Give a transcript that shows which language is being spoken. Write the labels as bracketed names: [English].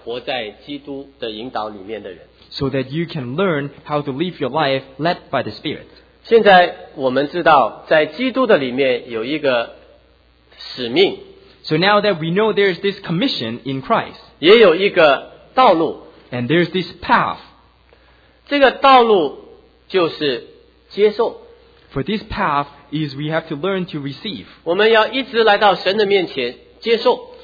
[Chinese] 叫你懂得做一个怎样活在基督的引导里面的人, [English] so that you can learn how to live your life led by the Spirit. [Chinese] 现在我们知道在基督的里面有一个 使命, [English] so now that we know there is this commission in Christ, [Chinese] 也有一个道路, [English] and there is this path. [Chinese] 这个道路就是接受, [English] for this path is we have to learn to receive. [Chinese] 我们要一直来到神的面前接受,